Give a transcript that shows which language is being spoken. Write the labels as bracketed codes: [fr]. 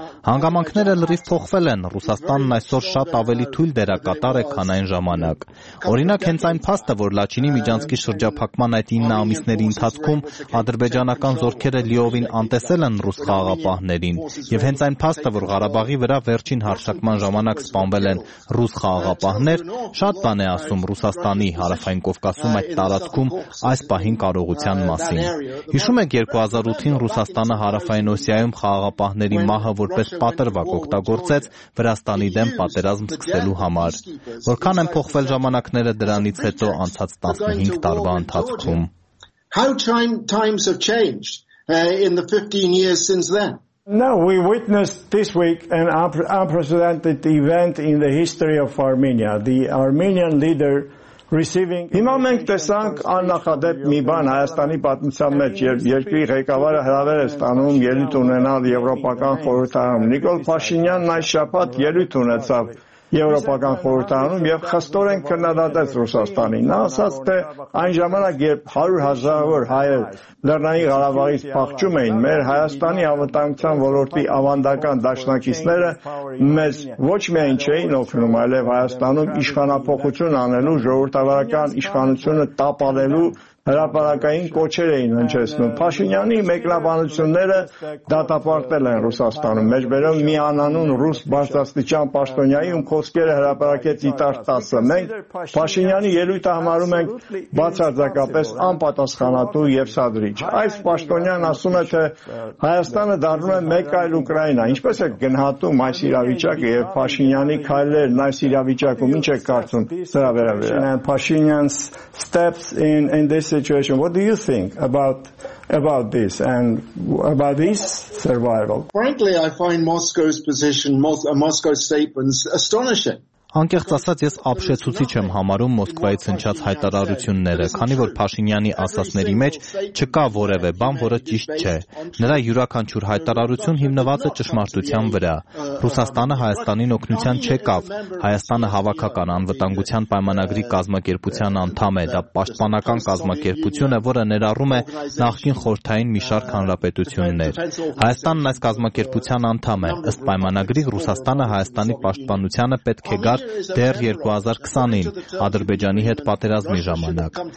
[hy] Հանգամանքները լրիվ փոխվել են, Ռուսաստանն այսօր շատ ավելի թույլ դերակատար է, քան այն ժամանակ։ Օրինակ, հենց այն փաստը, որ Լաչինի միջանցքի շրջափակման այդ 9 ամիսների ընթացքում ադրբեջանական զորքերը լիովին անտեսել են ռուս խաղապահներին, և հենց այն փաստը, որ Ղարաբաղի վրա վերջին հարձակման ժամանակ սպանվել են ռուս խաղապահներ, շատ բան է ասում Ռուսաստանի հարավային Կովկասում այդ տարածքում այս պահին կարողության մասին։ Հիշում եք 2008-ին Ռուսաստանը հարավային Օսիայում խաղապահների մահը որպես պատրվակ օգտագործեց Վրաստանի դեմ պատերազմ սկսելու համար։ Որքան են փոխվել ժամանակները դրանից հետո անցած 15 տարվա ընթացքում։ [en] How times have changed in the 15 years since then. No, we witnessed this week an unprecedented event in the history of Armenia. The Armenian leader receiving... [hy] Հիմա մենք տեսանք աննախադեպ մի բան Հայաստանի պատմության մեջ, երբ երկրի ղեկավարը հրավեր է ստանում ելույթ ունենալ եվրոպական խորհրդարանում։ Նիկոլ Փաշինյանն այս շաբաթ ելույթ ունեցավ եվրոպական խորհրդարանում եւ խստորեն քննադատեց Ռուսաստանին։ Նա ասաց, թե այն ժամանակ, երբ 100 հազարավոր հայեր Լեռնային Ղարաբաղից փախչում էին, մեր Հայաստանի Անվտանգության ոլորտի ավանդական դաշնակիցները մեզ ոչ միայն չէին օգնում, այլև Հայաստանում իշխանապողություն անելու, ժողովրդավարական իշխանությունը տապալելու հրապարակային կոչեր էին հնչեցնում։ Փաշինյանի մեկնաբանությունները դատապարտել են Ռուսաստանում, մեջբերում մի անանուն ռուս բարձրաստիճան պաշտոնյայի, ում խոսքերը հրապարակեց իտար տասը։ Մենք Փաշինյանի ելույթը համարում ենք բացարձակապես անպատասխանատու և սադրիչ։ Այս պաշտոնյան ասում է, թե Հայաստանը դառնում է մեկ այլ Ուկրաինա։ Ինչպես է գնահատում այս իրավիճակը և Փաշինյանի քայլերն այս իրավիճակում, ինչ եք կարծում սրա վերաբերյալ? [en] Փաշինյանս steps in this situation, what do you think about this and about this survival? Frankly, I find Moscow's position, Moscow's statements, astonishing. [hy] Անկեղծ ասած, ես ապշեցուցիչ եմ համարում Մոսկվայից հնչած հայտարարությունները, քանի որ Փաշինյանի ասացների մեջ չկա որևէ բան, որը ճիշտ չէ։ Նրա յուրաքանչյուր հայտարարություն հիմնված է ճշմարտության վրա։ Ռուսաստանը Հայաստանին օգնության չեկավ, Հայաստանը հավաքական անվտանգության պայմանագրի կազմակերպության անդամ է, դա պաշտպանական կազմակերպություն է, որը ներառում է նախկին խորհրդային մի շարք հանրապետություններ։ Հայաստանն այս կազմակերպության անդամ է, ըստ պայմանագրի Ռուսաստանը Հայաստանի պաշտպանությանը պետք է դեռ 2020-ին Ադրբեջանի հետ պատերազմի ժամանակ։